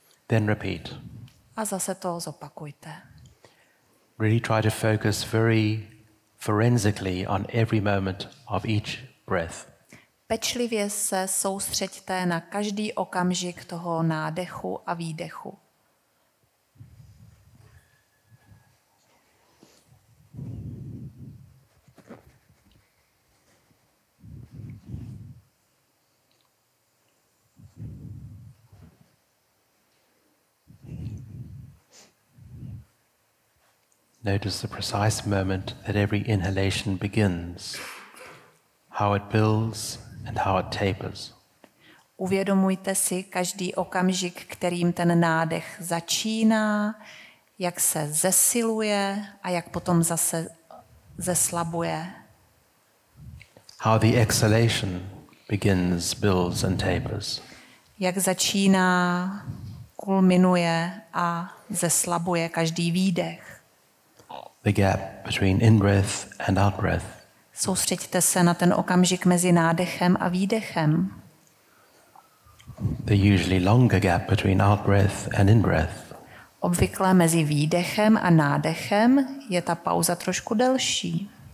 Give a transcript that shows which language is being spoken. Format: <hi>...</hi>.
<en>Then repeat.</en> <cs>A zase to zopakujte.</cs> <en>Really try to focus very forensically on every moment of each breath.</en> <cs>Pečlivě se soustřeďte na každý okamžik toho nádechu a výdechu.</cs> <en>Notice the precise moment that every inhalation begins, how it builds and how it tapers.</en> <cs>Uvědomujte si každý okamžik, kterým ten nádech začíná, jak se zesiluje a jak potom zase zeslabuje.</cs> <en>How the exhalation begins, builds and tapers.</en> <cs>Jak začíná, kulminuje a zeslabuje každý výdech.</cs> <en>the gap between in-breath and out-breath.</en> <cs>Soustřeďte se na ten okamžik mezi nádechem a výdechem.</cs> <en>The usually longer gap between out-breath and in-breath.</en> <cs>Obvykle mezi výdechem a nádechem je ta pauza trošku delší.</cs>